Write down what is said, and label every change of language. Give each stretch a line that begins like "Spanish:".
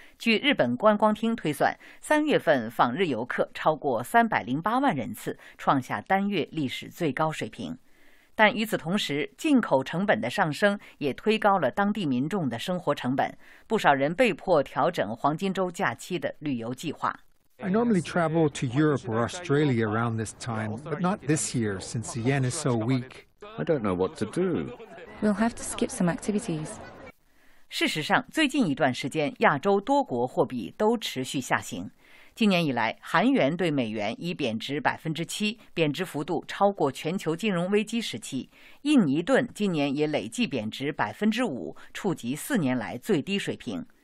Chinese: 据日本观光厅推算，3月份访日游客超过308万人次，创下单月历史最高水平。但与此同时，进口成本的上升也推高了当地民众的生活成本，不少人被迫调整黄金周假期的旅游计划。
English: I normally travel to Europe or Australia around this time, but not this year since the yen is so weak. I don't know what to do. We'll have to skip some activities.
Chinese: 事实上，最近一段时间，亚洲多国货币都持续下行。今年以来，韩元对美元已贬值7%，贬值幅度超过全球金融危机时期。印尼盾今年也累计贬值5%，触及4年来最低水平。